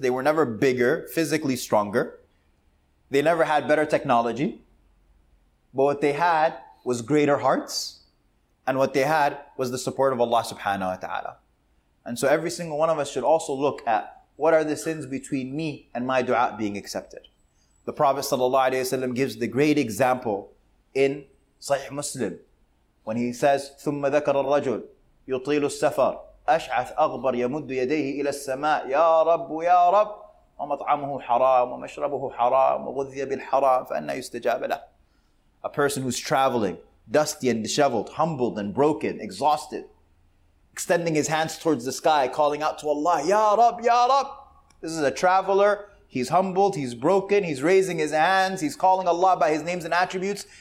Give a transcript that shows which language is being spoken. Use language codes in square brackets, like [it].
[en] They were never bigger, physically stronger. They never had better technology. But what they had was greater hearts. And what they had was the support of Allah subhanahu wa ta'ala. And so every single one of us should also look at what are the sins between me and my dua being accepted. The Prophet sallallahu alaihi wasallam gives the great example in Sahih Muslim when he says, [ar] ثُمَّ ذَكَرَ الرَّجُلُ يُطِيلُ السَّفَرُ أَشْعَثْ أَغْبَرُ يَمُدُّ يَدَيْهِ إِلَى السَّمَاءِ يَا رَبُّ يَا رَبُّ وَمَطْعَمُهُ حَرَامُ وَمَشْرَبُهُ حَرَامُ وَغُذِّيَ بِالْحَرَامُ فَأَنَّا يُسْتَجَابَ لَهُ. [en] A person who's traveling, dusty and disheveled, humbled and broken, exhausted, extending his hands towards the sky, calling out to Allah, Ya Rab, Ya Rab. This is a traveler. He's humbled, he's broken, he's raising his hands, he's calling Allah by his names and attributes.